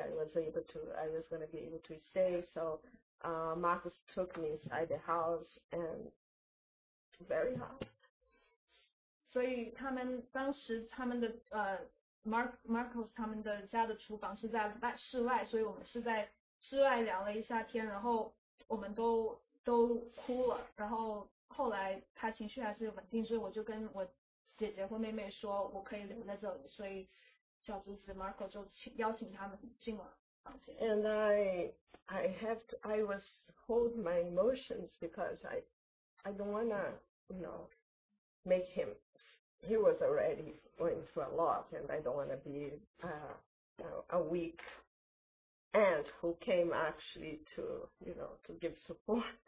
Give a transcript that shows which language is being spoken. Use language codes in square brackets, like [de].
[en] I was gonna be able to stay. So Marcus took me inside the house and very hot. [zh] 所以他们当时他们的Marcos 他们的家的厨房是在室外，所以我们是在室外聊了一下天，然后我们都哭了，然后后来他情绪还是稳定，所以我就跟我姐姐或妹妹说我可以留在这里，所以小侄子 Marco 就邀请他们进了房间。 [en] And I was hold my emotions because I don't wanna, you know, make him. He was already going through a lot, and I don't wanna be a weak aunt who came actually to, you know, to give support.